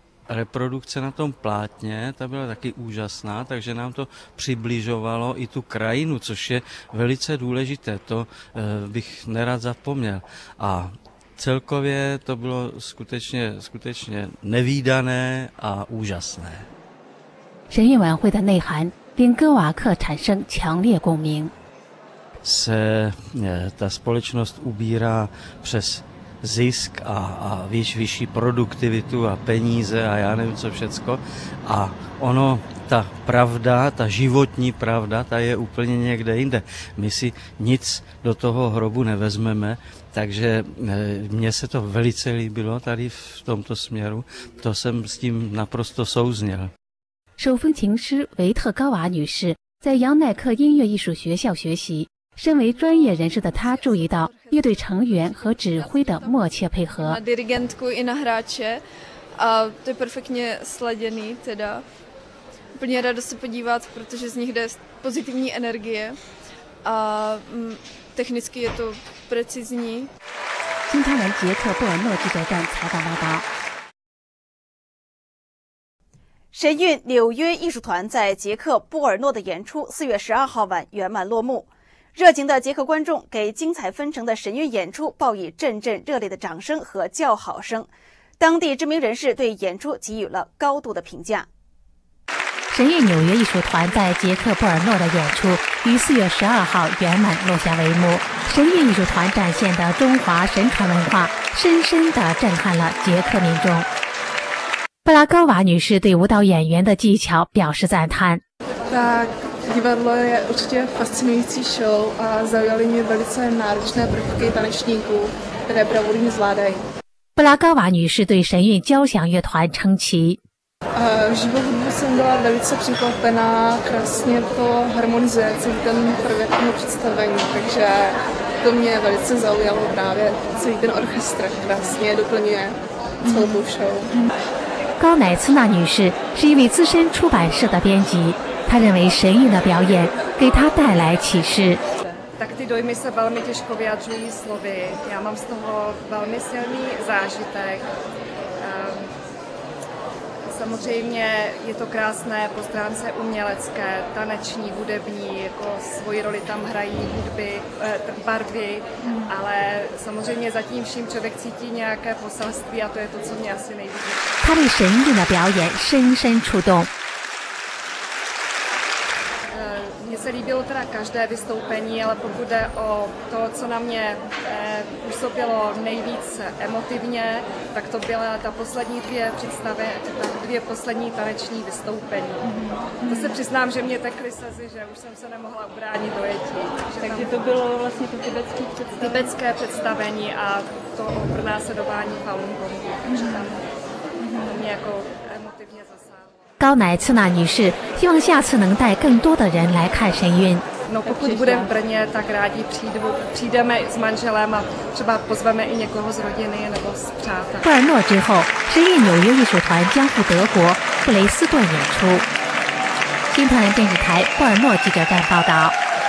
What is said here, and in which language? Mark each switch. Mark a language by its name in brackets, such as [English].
[Czech] Reprodukce na tom plátně, ta byla taky úžasná, takže nám to přibližovalo i tu krajinu, což je velice důležité, to bych nerad zapomněl. A celkově to bylo skutečně, skutečně nevídané a úžasné. [Chinese] 神韵晚会的内涵令戈瓦克产生强烈共鸣。 [Czech] Se ta společnost ubírá přes zisk a vyšší produktivitu a peníze a já nevím co všecko. A ono, ta pravda, ta životní pravda, ta je úplně někde jinde. My si nic do toho hrobu nevezmeme, takže mně se to velice líbilo tady v tomto směru. To jsem s tím naprosto souzněl. [Chinese] 手风琴师维特高瓦女士在杨乃克音乐艺术学校学习。身为专业人士的他注意到乐队成员和指挥的默契配合。 [Czech] Dirigentku i na hráče, a to je perfektně sladěný, teda úplně rádo se podívat, protože z nich jde pozitivní energie a technicky je to precizní. [Chinese] 新唐人捷克布尔诺记者站采访报道。神韵纽约艺术团在捷克布尔诺的演出4月12号晚圆满落幕。热情的捷克观众给精彩纷呈的神韵演出报以阵阵热烈的掌声和叫好声，当地知名人士对演出给予了高度的评价。神韵纽约艺术团在捷克布尔诺的演出于4月12号圆满落下帷幕，神韵艺术团展现的中华神传文化深深地震撼了捷克民众。布拉高瓦女士对舞蹈演员的技巧表示赞叹。 [Czech] Divadlo je určitě fascinující show a zaujaly mě velice náročné prvky tanečníků, které bravurně zvládají. [Chinese] 布拉高瓦女士对神韵交响乐团称奇。 [Czech] Živo hudbu jsem byla velice překvapená, krásně to harmonizuje celý ten prvek toho představení, takže to mě velice zaujalo právě celý ten orchestr, krásně doplňuje celou tu show. [Chinese] 高乃茨娜女士是一位资深出版社的编辑。他认为神韵的表演给他带来启示。 [Czech] Tak ty dojmy se velmi těžko vyjadřují slovy. Já mám z toho velmi silný zážitek. Samozřejmě je to krásné po stránce umělecké, taneční, hudební, jako svoji roli tam hrají hudby, barvy, ale samozřejmě za tím vším člověk cítí nějaké poselství a to je to, co mě asi nejvíc. [Chinese] 他对神韵的表演深深触动。 [Czech] Mně se líbilo teda každé vystoupení, ale pokud jde o to, co na mě působilo nejvíc emotivně, tak to byly ta poslední dvě představy, ta dvě poslední taneční vystoupení. To se přiznám, že mě tekly slzy, že už jsem se nemohla ubránit dojetí. Takže to bylo vlastně to tibetské představení? Tibetské představení a to pronásledování Falun Gongu. Takže tam to mě jako emotivně zase. [Chinese] 高乃茨娜女士希望下次能带更多的人来看神韵。 [Czech] No, pokud bude v Brně, tak rádi přijdeme s manželem a třeba pozveme i někoho z rodiny nebo z přátel. [Chinese] 布尔诺之后，神韵纽约艺术团将赴德国布雷斯顿演出。新唐人电视台布尔诺记者站报道。